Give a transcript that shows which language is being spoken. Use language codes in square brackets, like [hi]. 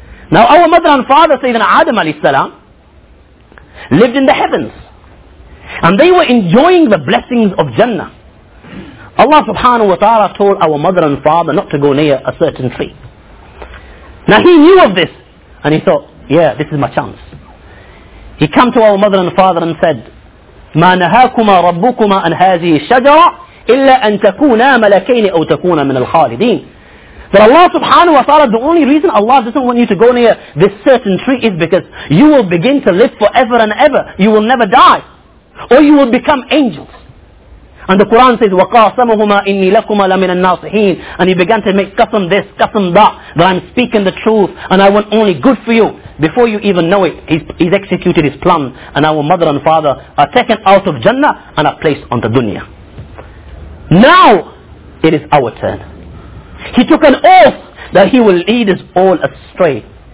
[en] Now our mother and father, Sayyidina Adam alayhi salam, lived in the heavens. And they were enjoying the blessings of Jannah. Allah subhanahu wa ta'ala told our mother and father not to go near a certain tree. Now he knew of this, and he thought, yeah, this is my chance. He came to our mother and father and said, [ar] "مَا نَهَاكُمَا رَبُّكُمَا أَنْ هَذِهِ الشَّجَرَ إِلَّا أَنْ تَكُونَا مَلَكَيْنِ أَوْ تَكُونَا مِنَ الْخَالِدِينَ." [en] But Allah subhanahu wa ta'ala, the only reason Allah doesn't want you to go near this certain tree is because you will begin to live forever and ever. You will never die. Or you will become angels. And the Quran says, [ar] وَقَاسَمُهُمَا إِنِّي لَكُمَا لَمِنَ النَّاصِحِينَ. [en] And he began to make qasam this, qasam that, that I'm speaking the truth and I want only good for you. Before you even know it, he's executed his plan, and our mother and father are taken out of Jannah and are placed on the dunya. Now it is our turn. He took an oath that he will lead us all astray.